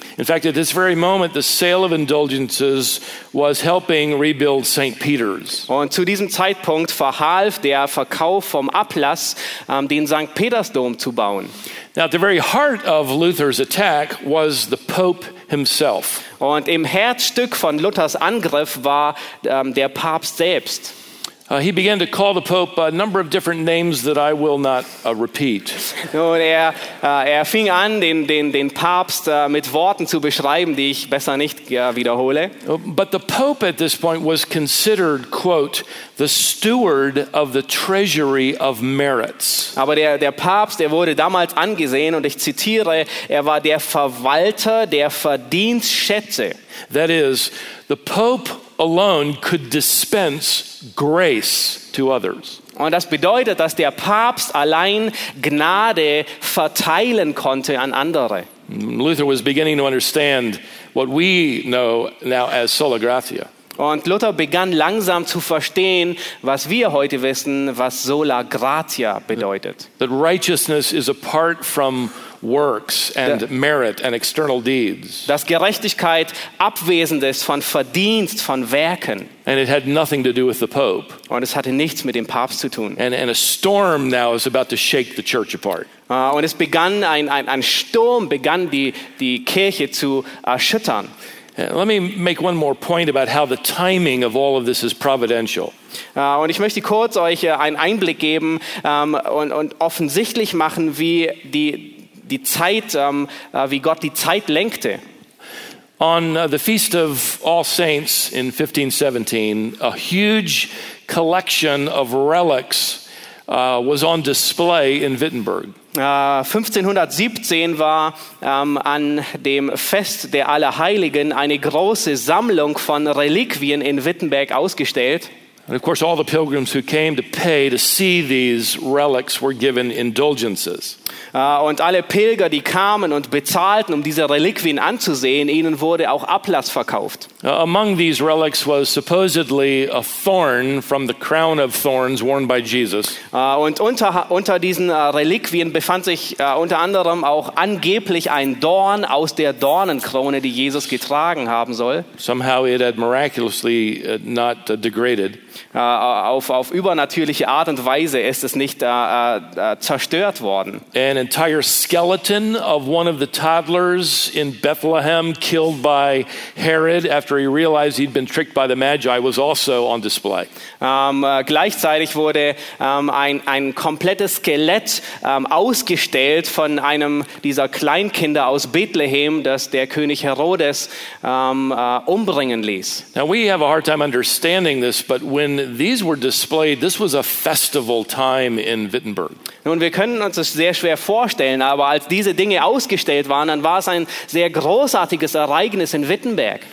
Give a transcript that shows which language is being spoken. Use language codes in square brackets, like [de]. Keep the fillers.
[en] In fact, at this very moment, the sale of indulgences was helping rebuild St. Peter's. [de] Und zu diesem Zeitpunkt verhalf der Verkauf vom Ablass, um, den St. [en] Petersdom Now, at the very heart of Luther's attack was the Pope himself. [de] Und im Herzstück von Luthers Angriff war um, der Papst selbst. [en] Uh, he began to call the Pope a number of different names that I will not uh, repeat. [de] Nun, er, er fing an, den, den, den Papst mit Worten zu beschreiben, die ich besser nicht wiederhole. [en] But the Pope at this point was considered, quote, the steward of the treasury of merits. [de] Aber der, der Papst, er wurde damals angesehen, und ich zitiere, er war der Verwalter der Verdienstschätze. [en] That is, the Pope alone could dispense grace to others. [de] Und das bedeutet, dass der Papst allein Gnade verteilen konnte an andere. [en] Luther was beginning to understand what we know now as sola gratia. [de] Und Luther begann langsam zu verstehen, was wir heute wissen, was sola gratia bedeutet. [en] That, that righteousness is apart from works [de] Dass das Gerechtigkeit abwesend ist von Verdienst, von Werken. [en] And it had nothing to do with the Pope. [de] Und es hatte nichts mit dem Papst zu tun. und es begann ein, ein, ein, Sturm begann die die Kirche zu erschüttern. [en] Uh, Let me make one more point about how the timing of all of this is providential. [de] Uh, und ich möchte kurz euch einen Einblick geben um, und, und offensichtlich machen, wie die die Zeit, um, uh, wie Gott die Zeit lenkte. [en] On uh, the Feast of All Saints in 1517, a huge collection of relics uh, was on display in Wittenberg. [de] 1517 war um, an dem Fest der Allerheiligen eine große Sammlung von Reliquien in Wittenberg ausgestellt. [en] And of course, all the pilgrims who came to pay to see these relics were given indulgences. [de] Uh, und alle Pilger, die kamen und bezahlten, um diese Reliquien anzusehen, ihnen wurde auch Ablass verkauft. [en] Uh, among these relics was supposedly a thorn from the crown of thorns worn by Jesus. [de] Uh, und unter, unter diesen uh, Reliquien befand sich uh, unter anderem auch angeblich ein Dorn aus der Dornenkrone, die Jesus getragen haben soll. [en] Somehow it had miraculously uh, not uh, degraded. [de] Uh, auf, auf, übernatürliche Art und Weise ist es nicht uh, uh, zerstört worden. [en] An entire skeleton of one of in Bethlehem killed by Herod after he realized he'd been tricked by the Magi was also display. [de] Um, gleichzeitig wurde um, ein, ein, komplettes Skelett um, ausgestellt von einem dieser Kleinkinder aus Bethlehem, das der König Herodes umbringen ließ. [en] Now we have a hard time understanding this, but When these were displayed, this was a festival time in Wittenberg. [de] Nun, wir können uns das sehr schwer vorstellen, aber als diese Dinge ausgestellt waren, dann war es ein sehr großartiges Ereignis in Wittenberg.